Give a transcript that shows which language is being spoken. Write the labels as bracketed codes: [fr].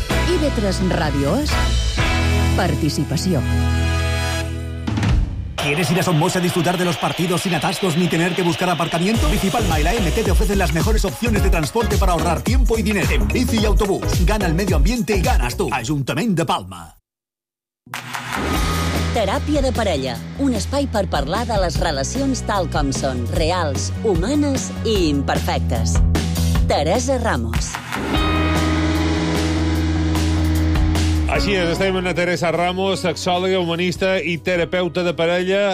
[ca] I de Tres Ràdio és participació. [es] ¿Quieres ir a Somos a disfrutar de los partidos sin atascos ni tener que buscar aparcamiento? Bici Palma y la AMT te ofrecen las mejores opciones de transporte para ahorrar tiempo y dinero en bici y autobús. Gana el medio ambiente y ganas tú. [ca] Ajuntament de Palma. Teràpia de parella, un espai per parlar de les relacions tal com són, reals, humanes i imperfectes. Teresa Ramos. Així és, estem amb la Teresa Ramos, sexòloga, humanista i terapeuta de parella.